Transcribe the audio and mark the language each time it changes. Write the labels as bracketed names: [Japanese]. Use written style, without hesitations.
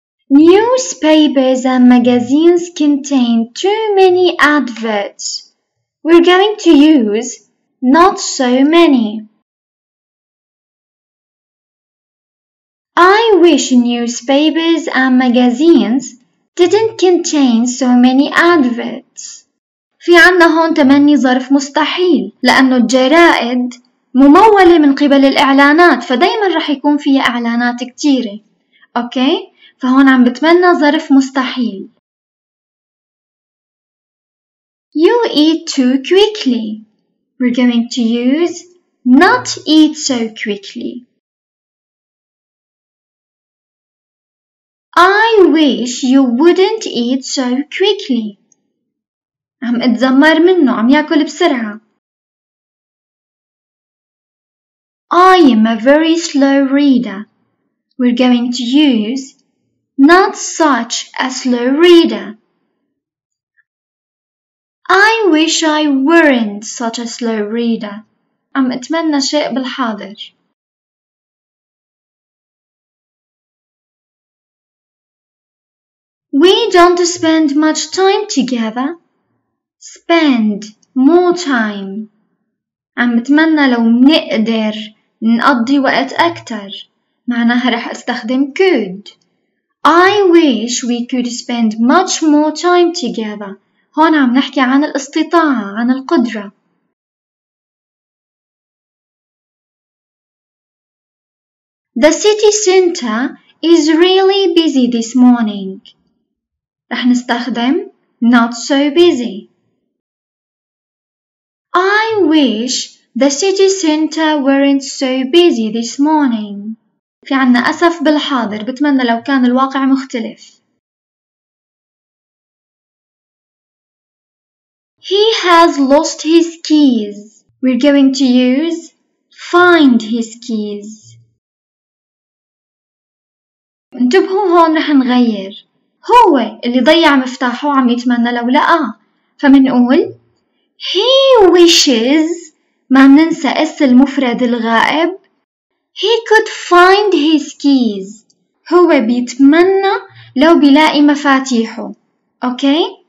[English] Newspapers and magazines contain too many adverts. We're going to use not so many. I wish newspapers and magazines didn't contain so many adverts. [Arabic] في عنا هون تمني ظرف مستحيل لأنه الجرائد ممولة من قبل الإعلانات فدايما رح يكون فيها إعلانات كتيرة. أوكي؟ فهون عم بتمنى ظرف مستحيل. [English] You eat too quickly. We're going to use not eat so quickly. I wish you wouldn't eat so quickly. [Arabic] عم اتذمر منه عم ياكل بسرعة. [English] I am a very slow reader. We're going to use not such a slow reader. I wish I weren't such a slow reader. [Arabic] عم اتمنى شيء بالحاضر. [English] We don't spend much time together. Spend more time. [Arabic] عم اتمنى لو نقدر نقضي وقت أكتر. معناها رح استخدم could. [English] I wish we could spend much more time together. [Arabic] هون عم نحكي عن الاستطاعة، عن القدرة. [English] The city center is really busy this morning. [Arabic] رح نستخدم [English] not so busy. I wish the city center weren't so busy this morning. [Arabic] في عنا أسف بالحاضر، بتمنى لو كان الواقع مختلف. [English] He has lost his keys. We're going to use find his keys. [Arabic] انتبهوا هون رح نغير. هو اللي ضيع مفتاحه وعم يتمنى لو لقاه. فمنقول [English] He wishes، [Arabic] ما مننسى اس المفرد الغائب، [English] He could find his keys. [Arabic] هو بيتمنى لو بيلاقي مفاتيحه. أوكي؟